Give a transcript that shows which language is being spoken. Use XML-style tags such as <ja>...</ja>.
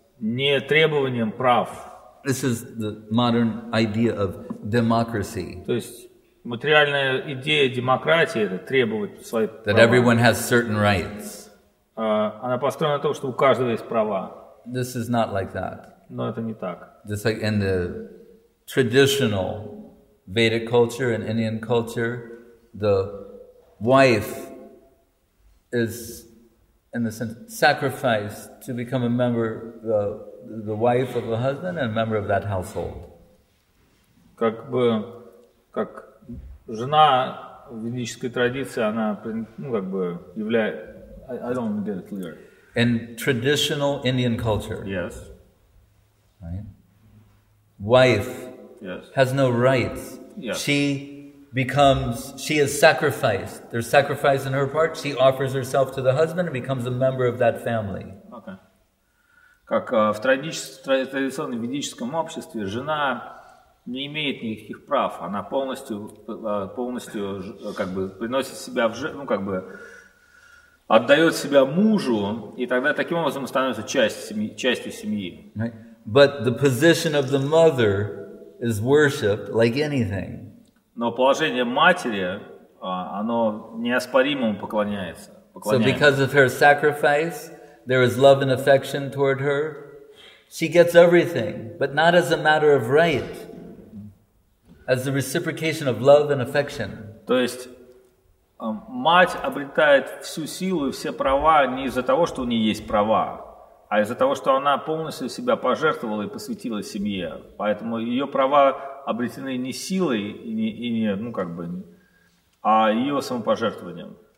<ru>Не требованием прав.</ru> <en>This is the modern idea of democracy.</en> <ru>То есть материальная идея демократии — это требовать свои права.</ru> <en>That everyone has certain rights.</en> <ru>Она построена на том, что у каждого есть права.</ru> <en>This is not like that.</en> <ru>Но это не так.</ru> <en>Just like in the traditional Vedic culture and Indian culture, the wife is, in the sense, sacrificed to become a member, the wife of a husband and a member of that household.</en> <ru>Как бы, как жена в ведической традиции, она, ну, как бы, является,</ru> <en>I don't get it clear. In traditional Indian culture. Yes. Right? Wife. Yes. Has no rights. Yes. She is sacrificed. There's sacrifice on her part. She offers herself to the husband and becomes a member of that family. Okay.</en> <ru>Как в традиционном ведическом обществе жена не имеет никаких прав. Она полностью как бы приносит себя в жертву, ну как бы отдает себя мужу, и тогда таким образом становится частью семьи.</ru> <en>Right. But the position of the mother is worshipped like anything.</en> <ru>Но положение матери, оно неоспоримому поклоняется.</ru> <en>So because of her sacrifice, there is love and affection toward her. She gets everything, but not as a matter of right, as the reciprocation of love and affection.</en> <ru>То есть мать обретает всю силу и все права не из-за того, что у нее есть права, а из-за того, что она полностью себя пожертвовала и посвятила семье. Поэтому ее права обретены не силой а ее самопожертвованием.</ru>